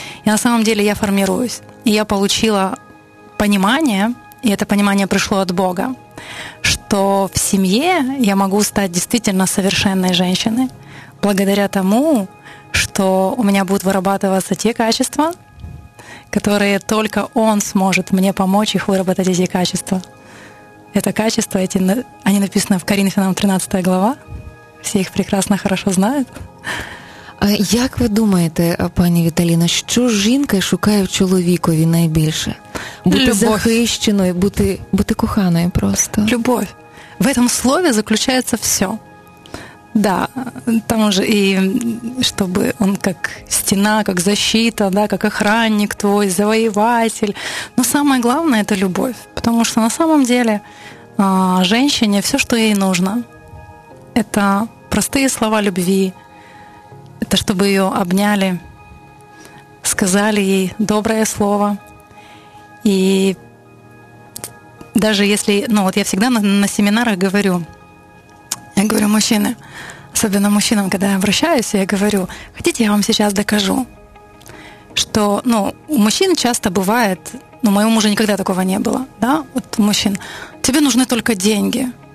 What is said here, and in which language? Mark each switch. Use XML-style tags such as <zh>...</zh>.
<ru>И на самом деле я формируюсь. И я получила понимание, и это понимание пришло от Бога, что в семье я могу стать действительно совершенной женщиной благодаря тому, что у меня будут вырабатываться те качества, которые только Он сможет мне помочь их выработать, эти качества. Это качества, эти, они написаны в Коринфянам 13 глава,</ru> <uk>всі їх прекрасно, хорошо знають. Як ви думаєте, пані Віталіна, що жінка шукає в чоловікові найбільше? Бути любов. Захищеною, бути коханою просто. Любов.</uk> <ru>В этом</ru> <uk>слові заключається все. Да, там же і щоб він як стіна, як защита, да, як охранник твой, завоєватель.</uk> <ru>Но самое главное –</ru> <uk>це любов. Тому що</uk> <ru>на самом деле женщине все, що їй нужно – это простые слова любви, это чтобы ее обняли, сказали ей доброе слово. И даже если, ну вот я всегда на семинарах говорю, я говорю мужчины, особенно мужчинам, когда я обращаюсь, я говорю, хотите, я вам сейчас докажу, что, ну, у мужчин часто бывает, ну, у моего мужа никогда такого не было, да, вот у мужчин, тебе нужны только деньги.</ru>